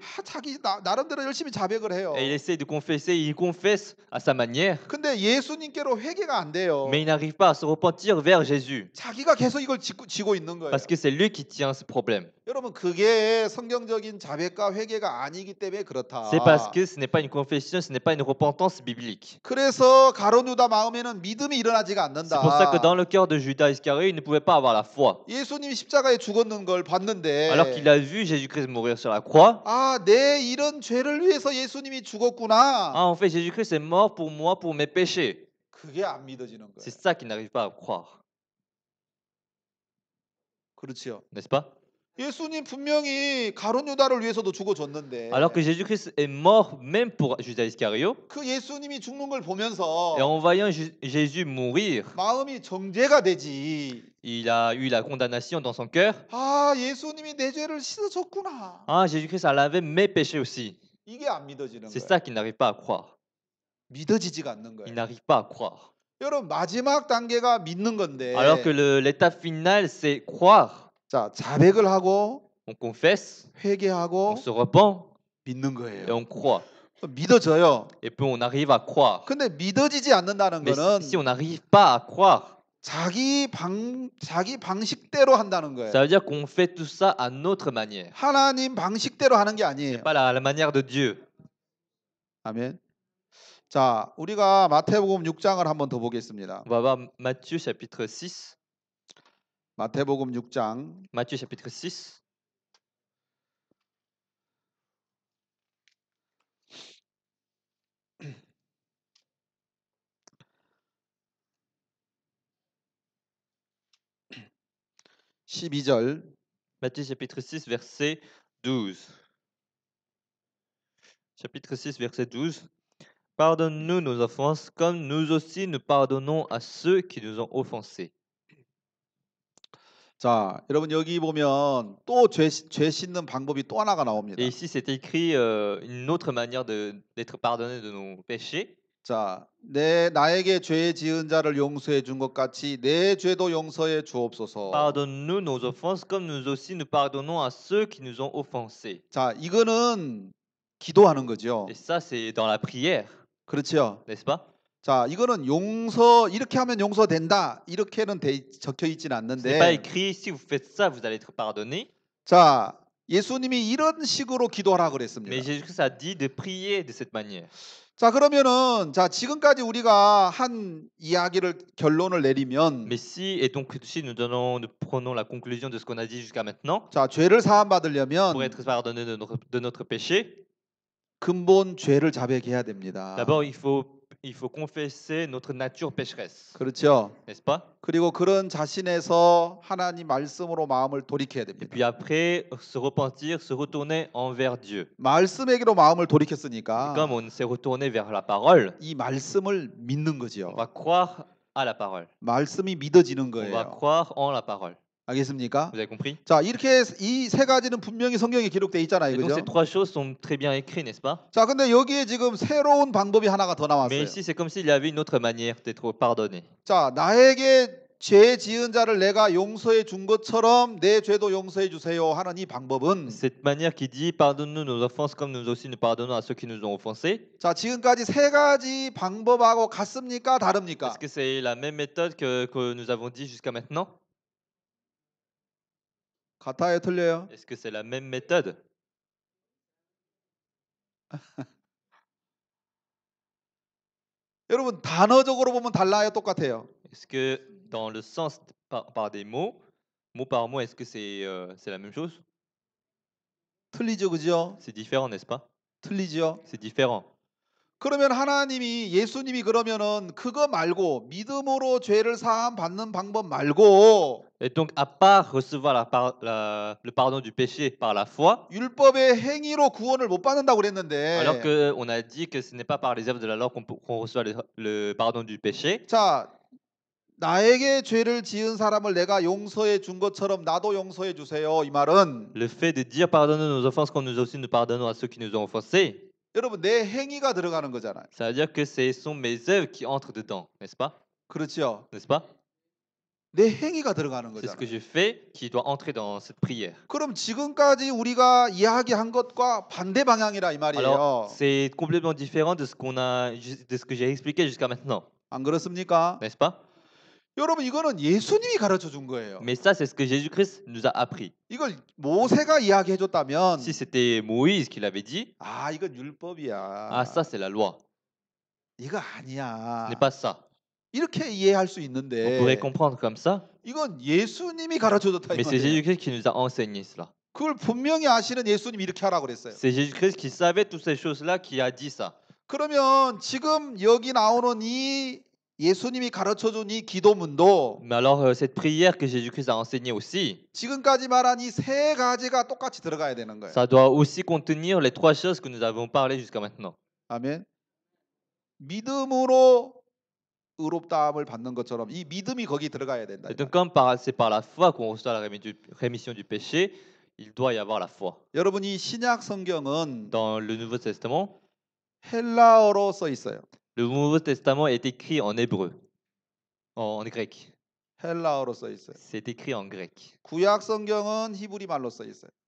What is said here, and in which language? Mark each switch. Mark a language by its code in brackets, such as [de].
[ko] 아, 자기 나름대로 열심히 자백을 해요. [fr] Et il essaie de confesser, il confesse à sa manière. [ko] 근데 예수님께로 회개가 안 돼요. [fr] Mais il n'arrive pas à se repentir vers Jésus. [ko] 자기가 계속 이걸 지고 있는 거예요. [fr] Parce que c'est lui qui tient ce problème. [ko] 여러분 그게 성경적인 자백과 회개가 아니기 때문에 [fr] C'est parce que [ko] 그렇다. [fr] ce n'est pas une confession, ce n'est pas une repentance biblique. [ko] 그래서 가룟 유다 마음에는 믿음이 일어나지가 [fr] C'est pour ça que dans [ko] 않는다. [fr] le cœur de Judas Iscariot, il ne pouvait pas avoir la foi. [ko] 예수님이 십자가에 죽었는 걸 봤는데, [fr] qu'il a vu Jésus-Christ mourir sur la croix, [ko] 아, 내 이런 죄를 위해서 예수님이 죽었구나. [fr] Ah, en fait, Jésus-Christ est mort pour moi, pour mes péchés. [ko] 그게 안 믿어지는 거예요. [fr] C'est ça qu'il n'arrive pas à croire. [ko] 그렇지요. [fr] N'est-ce pas? [ko] 예수님 분명히 가룟 유다를 위해서도 죽어줬는데 [fr] que Jésus-Christ est mort même pour Judas Iscariot, [ko] 그 예수님이 죽는 걸 [fr] et [ko] 보면서 [fr] en voyant Jésus mourir, [ko] 마음이 정죄가 되지. [fr] il a eu la condamnation dans son cœur. [ko] 아, 예수님이 내 죄를 씻어줬구나. [fr] 아, Jésus-Christ a lavé mes péchés aussi. [ko] 이게 안 믿어지는 [fr] C'est ça qu'il n'arrive pas à croire. [ko] 믿어지지가 않는 [fr] Il n'arrive pas à croire. [ko] 거예요. 여러분, 마지막 단계가 믿는 [fr] Alors que [ko] 건데. [fr] l'étape finale, c'est croire. [ko] 자, 자백을 하고 [fr] On confesse, [ko] 회개하고 [fr] on se repent, [ko] 믿는 [fr] et [ko] 거예요. [fr] on croit. [ko] 믿어져요. [fr] Et puis on arrive à croire. [ko] 근데 믿어지지 않는다는 [fr] Mais [ko] 거는 [fr] si on n'arrive pas à croire, [ko] 자기 방식대로 한다는 거예요. [fr] ça veut dire qu'on fait tout ça à notre manière. [ko] 하나님 방식대로 하는 게 아니에요. [fr] C'est pas la manière de Dieu. [ko] 아멘. 자, 우리가 마태복음 6장을 한번 더 보겠습니다. [fr] Matthieu chapitre 6. [ko] 마태복음 6장 [fr] Matthieu chapitre 6. [ko] 12절 [fr] Matthieu chapitre 6 verset 12. Chapitre 6 verset 12. Pardonne-nous nos offenses comme nous aussi nous pardonnons à ceux qui nous ont offensés. [ko] 자, 여러분 여기 보면 또 죄 씻는 방법이 또 하나가 [fr] Et [ko] 나옵니다. [fr] ici, c'est écrit une autre manière d'être pardonné de nos péchés. [ko] 자, 나에게 죄 지은 자를 용서해 준것 같이 내 죄도 용서해 주옵소서. [fr] Pardonne-nous nos offenses comme nous aussi nous pardonnons à ceux qui nous ont offensés. [ko] 자, 이거는 기도하는 [fr] Et ça, c'est dans la prière. [ko] 거죠. 그렇죠? [fr] N'est-ce pas? [ko] 자, 이거는 용서 이렇게 하면 용서된다. 이렇게는 적혀 있진 [fr] C'est pas écrit, si vous faites ça, vous allez être pardonné. [ko] 않는데. 자, 예수님이 이런 식으로 기도하라 그랬습니다. [fr] Mais Jésus-Christ a dit de prier de cette manière. [ko] 자, 그러면은 자, 지금까지 우리가 한 이야기를 결론을 내리면 [fr] Mais si, et donc si nous prenons la conclusion de ce qu'on a dit jusqu'à maintenant, [ko] 자, 죄를 사함 [fr] pour [ko] 받으려면 [fr] être pardonné de notre péché, [ko] 근본 죄를 자백해야 됩니다. [fr] d'abord il faut confesser notre nature pécheresse. [ko] 그렇죠? [fr] N'est-ce pas? [ko] 그리고 그런 자신에서 하나님 말씀으로 마음을 돌이켜야 [fr] Et puis après, se repentir, se retourner envers Dieu. [ko] 됩니다. 말씀에게로 마음을 돌이켰으니까 [fr] Comme on s'est retourné vers la parole, [ko] 이 말씀을 믿는 [fr] on va croire à la parole. [ko] 말씀이 믿어지는 [fr] On [ko] 거예요. [fr] va croire en la parole. [ko] 알겠습니까? [fr] Vous avez compris? [ko] 자, 이렇게 이세 가지는 분명히 성경에 기록돼 있잖아요. [fr] Et donc [ko] 그죠? [fr] ces trois choses sont très bien écrites, n'est-ce pas? [ko] 자, 근데 여기에 지금 새로운 방법이 하나가 더 나왔어요. [fr] Mais ici, c'est comme s'il y avait une autre manière d'être pardonné. [ko] 자, 나에게 죄 지은 자를 내가 용서해 준 것처럼 내 죄도 용서해 주세요 하는 이 방법은 [fr] Cette manière qui dit pardonne-nous nos offenses comme nous aussi nous pardonnons à ceux qui nous ont offensés. [ko] 자, 지금까지 세 가지 방법하고 같습니까? 다릅니까? [fr] Est-ce que c'est la même méthode que nous avons dit jusqu'à maintenant? [ko] 같아요, 틀려요? [fr] Est-ce que c'est la même méthode? [ko] 여러분, 단어적으로 보면 달라요, 똑같아요. [fr] Est-ce que dans le sens par des mots par mot, est-ce que c'est la même chose? [ko] 틀리죠, 그죠? [fr] C'est différent, n'est-ce pas? [ko] 틀리죠? [fr] C'est différent. [ko] 그러면 하나님이 예수님이 그러면은 그거 말고 믿음으로 죄를 사함 받는 방법 말고 [fr] Et donc, à part recevoir le pardon du péché par la foi, [ko] 율법의 행위로 구원을 못 받는다고 [fr] alors [ko] 그랬는데 [fr] qu'on a dit que ce n'est pas par les œuvres de la loi qu'on reçoit le pardon du péché, [ko] 자 나에게 죄를 지은 사람을 내가 용서해 준 것처럼 나도 용서해 주세요 이 말은 [fr] le fait de dire pardonne nos offenses comme nous aussi nous pardonnons à ceux qui nous ont offensés, [ko] 여러분 내 행위가 들어가는 거잖아요. [fr] ça veut dire que ce sont mes œuvres qui entrent dedans, n'est-ce pas? [ko] 그렇죠. [fr] n'est-ce pas? [ko] 내 행위가 들어가는 [fr] C'est ce que j'ai fait qui doit entrer dans cette prière. [ko] 그럼 지금까지 우리가 이야기한 것과 반대 방향이라 이 [fr] Alors, c'est complètement différent de ce que j'ai expliqué jusqu'à maintenant. [ko] 안 그렇습니까? [fr] N'est-ce pas? [ko] 여러분 이거는 예수님이 가르쳐 준 거예요. [fr] Mais ça c'est ce que Jésus-Christ nous a appris. [ko] 이걸 모세가 이야기해 줬다면 [fr] Si c'était Moïse qui l'avait dit. [ko] 아, 이건 율법이야. [fr] Ah ça c'est la loi. [ko] 이거 아니야. [fr] N'est pas ça. [ko] 이렇게 이해할 수 있는데. [fr] On pourrait comprendre comme ça. [ko] 이건 예수님이 가르쳐 줬다 [fr] Mais c'est Jésus-Christ qui nous a enseigné cela. [ko] 그걸 분명히 아시는 예수님이 이렇게 하라고 그랬어요. [fr] C'est Jésus-Christ qui savait toutes ces choses-là qui a dit ça. [ko] 그러면 지금 여기 나오는 이 예수님이 가르쳐 준 이 기도문도 [fr] Mais alors cette prière que Jésus-Christ a enseigné aussi [ko] 지금까지 말한 이 세 가지가 똑같이 들어가야 되는 거예요. [fr] Ça doit aussi contenir les trois choses que nous avons parlé jusqu'à maintenant. [ko] 아멘. 믿음으로 의롭다함을 받는 것처럼 이 믿음이 거기 들어가야 된다. [fr] Et donc comme c'est par la foi qu'on reçoit la rémission du péché, il doit y avoir la foi. [ko] 여러분 이 신약 성경은 [fr] Dans le Nouveau Testament [ko] 헬라어로 써 있어요. [fr] Le Nouveau Testament est écrit en hébreu, en grec. [ko] 헬라어로 써 있어요. [fr] C'est écrit en grec. [ko] 구약 성경은 히브리 말로 써 있어요.